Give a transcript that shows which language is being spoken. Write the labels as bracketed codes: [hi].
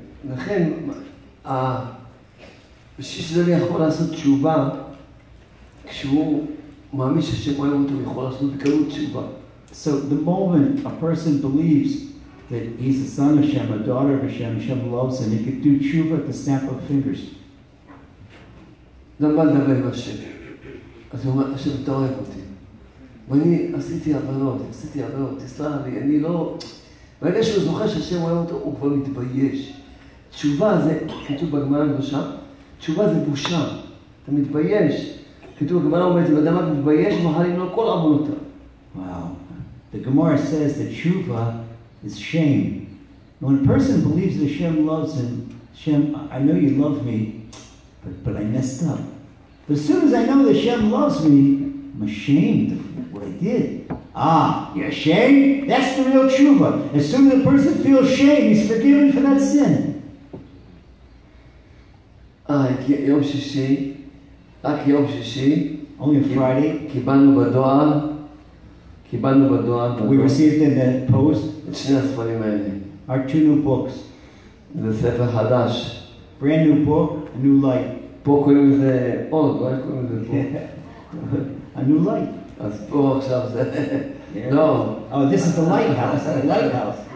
[he] לכן, בשביל שזה יכול לעשות תשובה, כשהוא מאמין שהשם אוהב אותו, יכול לעשות בקלות תשובה. [en] So the moment a person believes that he's a son of Hashem, a daughter of Hashem, Hashem loves him, he could do tshuva at the snap of fingers. [he] למה לדבר עם השם? אז הוא אומר, השם, אתה אוהב אותי. ואני עשיתי עבירות, עשיתי עבירות, תסלח לי, אני לא... ברגע שהוא זוכר שהשם אוהב אותו, הוא כבר מתבייש. תשובה זה, כתוב בגמרא הקדושה, תשובה זה בושה. אתה מתבייש. כתוב בגמרא אומרת, אם אדם מתבייש, מוחלים לו כל עוונותיו. [en] Wow. The Gemara says that tshuva is shame. When a person believes that Hashem loves him, Hashem, I know you love me, but I messed up. But as soon as I know that Hashem loves me, I'm ashamed of what I did. Ah, you're ashamed? That's the real tshuva. As soon as the person feels shame, he's forgiven for that sin. [he] Yom Shishi, Rak Yom Shishi. [en] Only on Friday. [he] Kibanu Badoal. קיבלנו בדואר. [en] We received in the post. [he] את שני הספרים האלה. [en] Our two new books. [he] זה ספר חדש. [en] Brand new book, a new light. [he] פה קוראים לזה עוד, לא קוראים לזה פה. [en] A new light. [he] אז פה עכשיו זה... לא. [en] Oh, this is the lighthouse, the lighthouse.